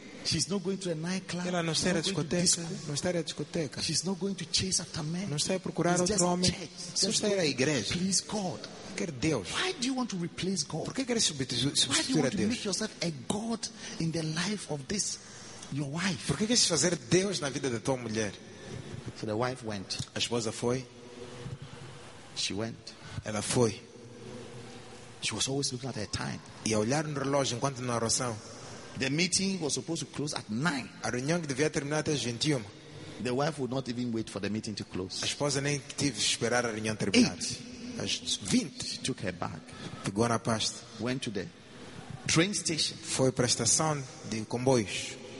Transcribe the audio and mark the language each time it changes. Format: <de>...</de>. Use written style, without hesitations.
<en>She's not going to a nightclub.</en> <pt>Ela não está na discoteca. Não está na discoteca.</pt> <en>She's not going to chase after men.</en> <pt>Não está a procurar</pt> <en>it's</en> <pt>outro homem. Se está na igreja.</pt> <en>Please God.</en> <pt>Quer Deus.</pt> <en>Why do you want to replace God?</en> <pt>Por que quer substituir a Deus?</pt> <en>Why do you want to make yourself a God in the life of this your wife?</en> <pt>Por que quer fazer Deus na vida da tua mulher?</pt> <en>So the wife went.</en> <pt>A esposa foi.</pt> <en>She went.</en> <pt>Ela foi.</pt> <en>She was always looking at her time.</en> <pt>E a olhar no relógio enquanto na oração.</pt> <en>The meeting was supposed to close at 9.</en> <pt>A reunião que devia terminar até 21.</pt> <en>The wife would not even wait for the meeting to close.</en> <pt>A esposa nem teve esperar a reunião terminar.</pt> <en>8.</en> <pt>Às 20.</pt> <en>She took her bag.</en> <pt>Pegou na pasta.</pt> <en>Went to the train station.</en> <pt>Foi para a estação de comboios.</pt>